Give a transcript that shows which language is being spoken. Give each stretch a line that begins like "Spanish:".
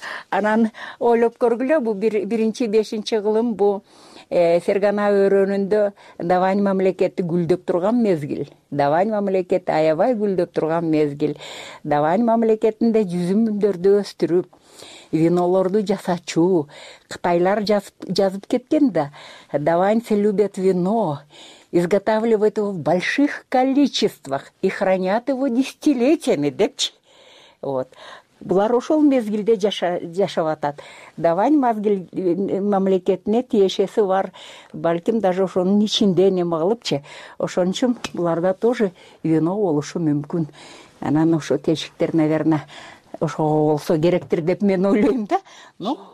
Kyrgyz: Анан ойлоп көргүлө, бул биринчи бешинчи кылым, бул Фергана өрөөнүндө Давань мамлекети гүлдөп турган мезгил. Давань мамлекети аябай гүлдөп турган мезгил. Давань мамлекетинде жүзүмдөрдү өстүрүп, винолорду жасачу. Кытайлар жазып кеткен да,
Russian: даваньцы любят вино, изготавливают его в больших количествах и хранят его десятилетиями,
Kyrgyz: депчи. Вот. Булар ошол мезгилде жашап атат. Давань мамлекетине тиешеси бар. Балким даже ошонун ичинде неме кылыпчы. Ошон үчүн буларда тоже вино болушу мүмкүн. Анан ошо тешиктер, наверное, ошого болсо керектир деп мен ойлойм да. Ну,